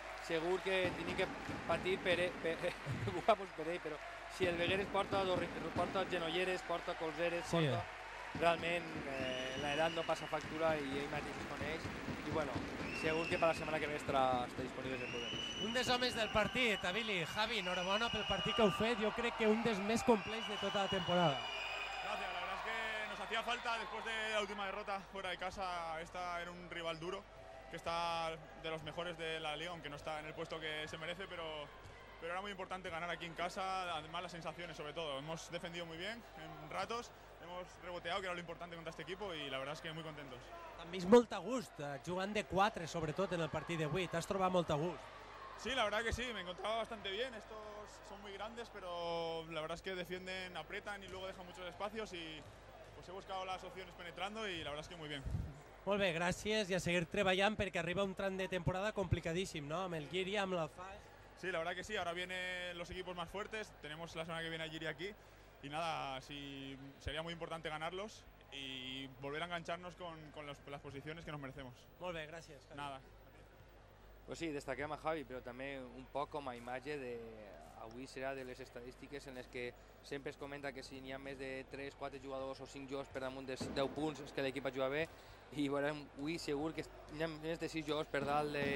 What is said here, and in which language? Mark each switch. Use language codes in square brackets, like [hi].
[ca] Segur que tenim que patir per ell, però si el Vegueres porta genolleres, porta colzeres, sí, porta, realment l'edat no passa factura i ell mateix es coneix. I bueno, segur que per la setmana que ve està disponible en poder. Un dels homes del partit, Avili. Javi, enhorabona pel partit que heu fet. Jo crec que un dels més complets de tota la temporada. [es] Gracias, la verdad es que nos hacía falta después de la última derrota fuera de casa. Esta era un rival duro, que está de los mejores de la liga, aunque no está en el puesto que se merece, pero era muy importante ganar aquí en casa, además las sensaciones sobre todo. Hemos defendido muy bien en ratos, hemos reboteado, que era lo importante contra este equipo, y la verdad es que muy contentos. [ca] També és molt a gust, jugant de 4, sobretot en el partit de 8, t'has trobat molt a gust. [es] Sí, la verdad que sí, me encontraba bastante bien. Estos son muy grandes, pero la verdad es que defienden, apretan y luego dejan muchos espacios, y pues he buscado las opciones penetrando y la verdad es que muy bien. [ca] Molt bé, gràcies, i a seguir treballant, perquè arriba un tram de temporada complicadíssim, no? Amb el Llíria, amb l'Alfàs. [es] Sí, la verdad que sí, ahora vienen los equipos más fuertes, tenemos la semana que viene a Llíria aquí, y nada, sí, sería muy importante ganarlos y volver a engancharnos con las posiciones que nos merecemos. [ca] Molt bé, gràcies, Javi. [es] Nada. [ca] Pues sí, destaquem a Javi, però també un poc com a imatge de... Avui serà de les estadístiques en les que sempre es comenta que si n'hi ha més de 3, 4 jugadors o 5 jugadors per damunt dels 10 punts és que l'equip va jugar bé, i veurem avui segur que n'hi ha més de 6 jugadors per dalt